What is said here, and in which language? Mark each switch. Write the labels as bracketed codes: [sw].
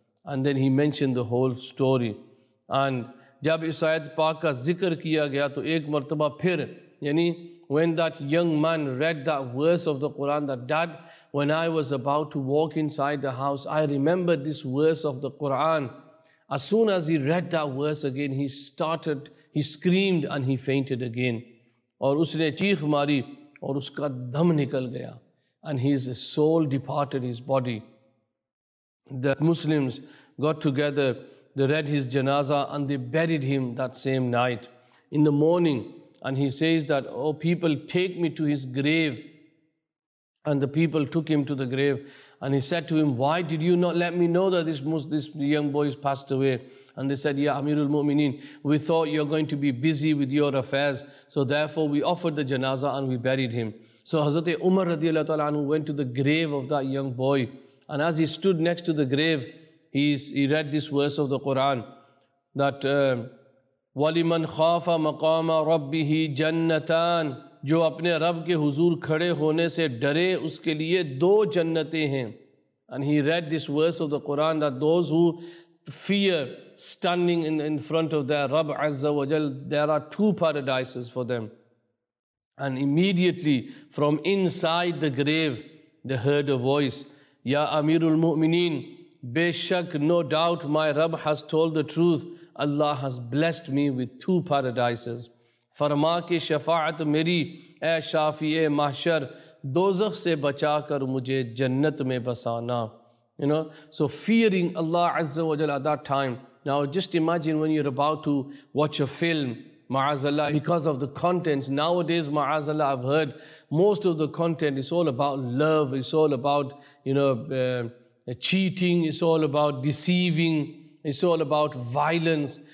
[en] And then he mentioned the whole story. And [ur] جب اس آیت پاک کا ذکر کیا گیا تو ایک مرتبہ پھر, [en] یعنی when that young man read that verse of the Quran, that dad, when I was about to walk inside the house, I remembered this verse of the Quran. As soon as he read that verse again, he screamed and he fainted again. [ur] اور اس نے چیخ ماری اور اس کا دم نکل گیا. [en] And his soul departed his body. The Muslims got together, they read his janaza and they buried him that same night in the morning. And he says that, oh people, take me to his grave. And the people took him to the grave. And he said to him, why did you not let me know that this young boy has passed away? And they said, ya Amirul Mu'mineen, we thought you're going to be busy with your affairs. So therefore we offered the janaza and we buried him. So Hazrat Umar radiallahu ta'ala anhu went to the grave of that young boy. And as he stood next to the grave, he read this verse of the Quran that [ar] وَلِمَنْ خَافَ مَقَامَ رَبِّهِ جَنَّتَانَ, [ur] جو اپنے رب کے حضور کھڑے ہونے سے ڈرے اس کے لیے دو جنتیں ہیں. [en] And he read this verse of the Quran that those who fear standing in front of their Rabb Azza wa Jal, there are two paradises for them. And immediately from inside the grave, they heard a voice, Ya Amirul Mu'mineen, [ur] بے شک, [en] no doubt, my Rabb has told the truth. Allah has blessed me with two paradises. [ur] فرما کہ شفاعت میری, اے شافیِ محشر, دوزخ سے بچا کر مجھے جنت میں بسانا. [en] You know, so fearing Allah Azza wa Jal at that time. Now just imagine when you're about to watch a film, ma'azallah, because of the contents. Nowadays, ma'azallah, I've heard most of the content is all about love, it's all about, you know, cheating, it's all about deceiving, it's all about violence.